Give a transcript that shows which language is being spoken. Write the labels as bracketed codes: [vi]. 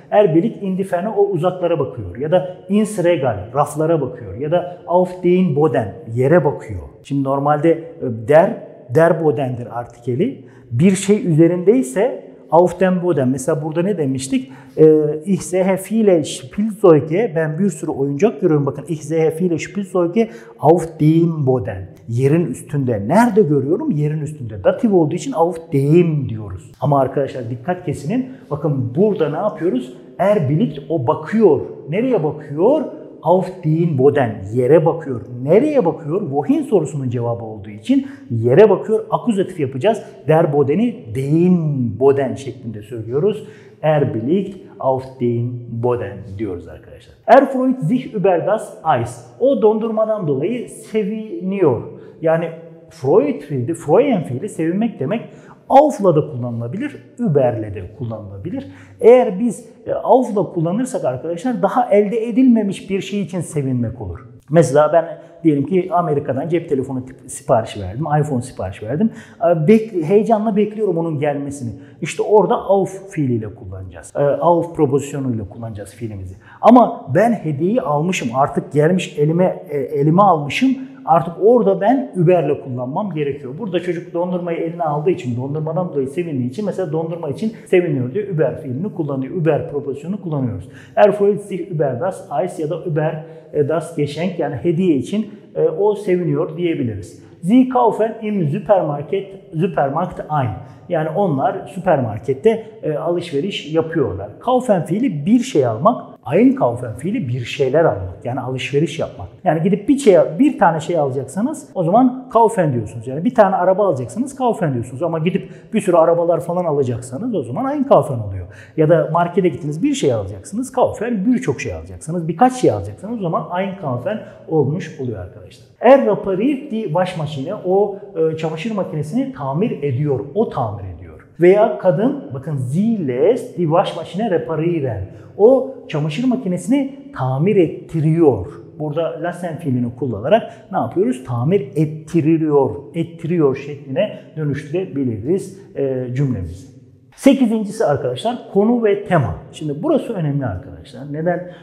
[de] Er bilik indiferne, [tr] o uzaklara bakıyor. Ya da [de] ins regal, [tr] raflara bakıyor. Ya da [de] auf den Boden, [tr] yere bakıyor. Şimdi normalde der Boden'dir artikeli. Bir şey üzerindeyse [de] auf den Boden. [tr] Mesela burada ne demiştik? [de] Ich sehe viele Spielzeuge, [tr] ben bir sürü oyuncak görüyorum. Bakın, [de] ich sehe viele Spielzeuge auf den Boden. [tr] Yerin üstünde. Nerede görüyorum? Yerin üstünde. Dativ olduğu için auf dem diyoruz. Ama arkadaşlar dikkat kesinin. Bakın burada ne yapıyoruz? [de] Er bilik, [tr] o bakıyor. Nereye bakıyor? [de] Auf den Boden. [tr] Yere bakıyor. Nereye bakıyor? Wohin sorusunun cevabı olduğu için yere bakıyor. Akuzatif yapacağız. Der Boden'i den Boden şeklinde söylüyoruz. [de] Er bilik auf den Boden [tr] diyoruz arkadaşlar. [de] Er freut sich über das Eis. [tr] O dondurmadan dolayı seviniyor. Yani Freud fiili, Freuen fiili sevinmek demek. Auf'la da kullanılabilir, über'le de kullanılabilir. Eğer biz auf'la kullanırsak arkadaşlar daha elde edilmemiş bir şey için sevinmek olur. Mesela ben diyelim ki Amerika'dan cep telefonu siparişi verdim, iPhone siparişi verdim. Heyecanla bekliyorum onun gelmesini. İşte orada auf fiiliyle kullanacağız. Auf propozisyonuyla kullanacağız fiilimizi. Ama ben hediyeyi almışım, artık gelmiş elime almışım. Artık orada ben über'le kullanmam gerekiyor. Burada çocuk dondurmayı eline aldığı için, dondurmadan dolayı sevindiği için, mesela dondurma için seviniyor diye über fiilini kullanıyor. Über propozisyonunu kullanıyoruz. [de] Er freut sich über das Eis [tr] ya da [de] über das Geschenk, [tr] yani hediye için o seviniyor diyebiliriz. [de] Sie kaufen im Supermarkt ein. [tr] Yani onlar süpermarkette alışveriş yapıyorlar. Kaufen fiili bir şey almak. Ein kaufen fiili bir şeyler almak, yani alışveriş yapmak. Yani gidip bir tane şey alacaksanız o zaman kaufen diyorsunuz. Yani bir tane araba alacaksanız kaufen diyorsunuz. Ama gidip bir sürü arabalar falan alacaksanız o zaman ein kaufen oluyor. Ya da markete gittiniz bir şey alacaksınız kaufen, birçok şey alacaksınız. Birkaç şey alacaksınız o zaman ein kaufen olmuş oluyor arkadaşlar. [de] Er repariert die Waschmaschine, [tr] o çamaşır makinesini tamir ediyor, o tamir ediyor. Veya kadın, bakın, [de] sie lässt die Waschmaschine reparieren. [tr] O çamaşır makinesini tamir ettiriyor. Burada lassen fiilini kullanarak ne yapıyoruz? Tamir ettiriyor, ettiriyor şekline dönüştürebiliriz cümlemizi. Sekizincisi arkadaşlar, konu ve tema. Şimdi burası önemli arkadaşlar. Neden?